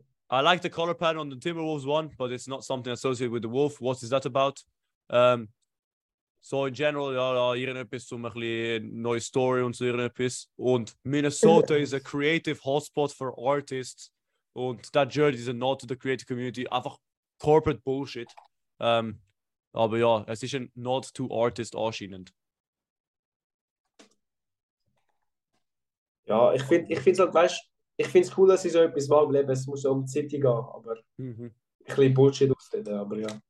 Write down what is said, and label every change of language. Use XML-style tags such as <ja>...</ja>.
<en>I like the color pattern on the Timberwolves one, but it's not something associated with the wolf. What is that about?</en> <de>So in general, ja, irgendetwas um ein bisschen neue Story und so irgendetwas.</de> <en>Und Minnesota is a creative hotspot for artists. Und that jersey is a nod to the creative community.</en> <de>Einfach corporate Bullshit. Aber ja, es ist ein nod to artist anscheinend. Ja, ich finde es halt, weißt, ich finde es cool, dass sie so etwas machen, es muss um die City gehen, aber ein bisschen Bullshit ausreden, aber ja.</de>